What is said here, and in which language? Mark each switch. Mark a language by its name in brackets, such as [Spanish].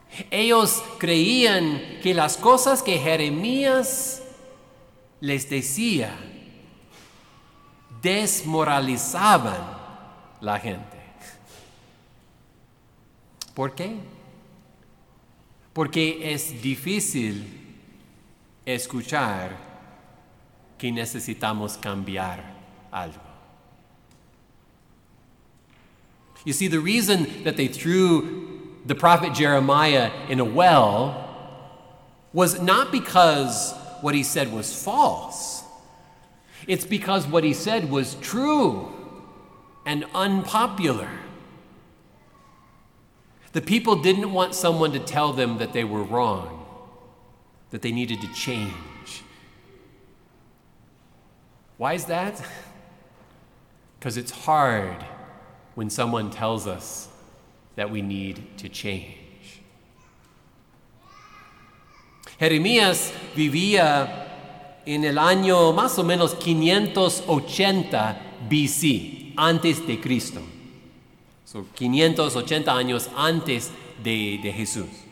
[Spanish] Ellos creían que las cosas que Jeremías les decía desmoralizaban la gente. ¿Por qué? Porque es difícil escuchar que necesitamos cambiar algo. [English] You see, the reason that they threw the prophet Jeremiah in a well was not because what he said was false. It's because what he said was true and unpopular. The people didn't want someone to tell them that they were wrong, that they needed to change. Why is that? Because it's hard when someone tells us that we need to change. [Spanish] Jeremías vivía en el año más o menos 580 BC, antes de Cristo. So, 580 años antes de Jesús.